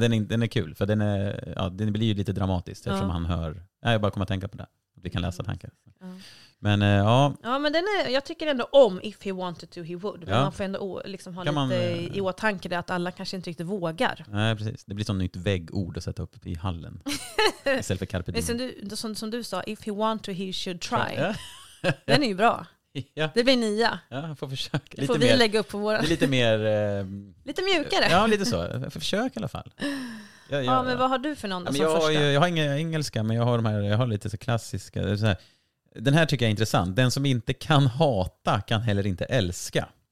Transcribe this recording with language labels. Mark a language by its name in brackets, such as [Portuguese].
[Swedish] Men den är kul för den blir ju lite dramatiskt eftersom han hör. Nej, jag bara kommer att tänka på det. Att vi kan läsa tankar. Ja. Men ja, men den är, jag tycker ändå om [English] if he wanted to he would. [Swedish] Men man får ändå liksom ha i åtanke det att alla kanske inte riktigt vågar. Nej, precis. Det blir sånt nytt väggord att sätta upp i hallen. Istället för carpe diem. Som du sa, [English] if he wanted to he should try. [Swedish] Ja. Den är ju bra. Ja. Det blir nya. Ja, jag får försöka. Lite får vi mer, lägga upp på våra. Lite mer... lite mjukare. Ja, lite så. Jag får försöka i alla fall. Ja, ja, men ja. Vad har du för någon, ja, men jag första? Har ju, jag har inga engelska, men jag har de här, jag har lite så klassiska. Så här. Den här tycker jag är intressant. Den som inte kan hata kan heller inte älska.